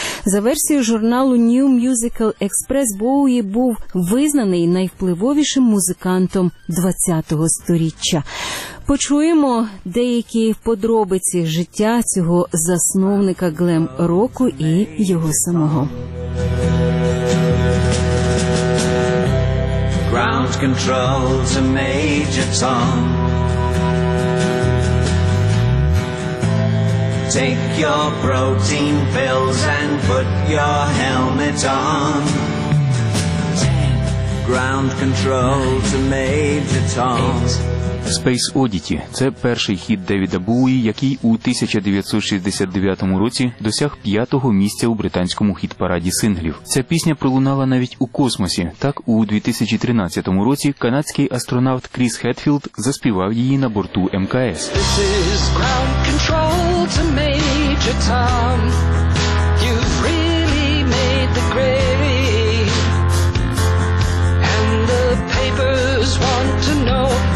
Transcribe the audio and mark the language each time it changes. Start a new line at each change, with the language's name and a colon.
Ukrainian: За версією журналу New Musical Express, Боуї був визнаний найвпливовішим музикантом 20-го століття. Почуємо деякі подробиці життя цього засновника глем-року і його самого.
English: Ground control to Major Tom. Take your protein pills and put your helmet on. Ground control to Major Tom.
Ukrainian: Space Oddity – це перший хіт Девіда Боуї, який у 1969 році досяг п'ятого місця у британському хіт-параді синглів. Ця пісня пролунала навіть у космосі. Так, у 2013 році канадський астронавт Кріс Хетфілд заспівав її на борту МКС.
English: This is ground control to Major Tom. You've really made the grave. And the papers want to know.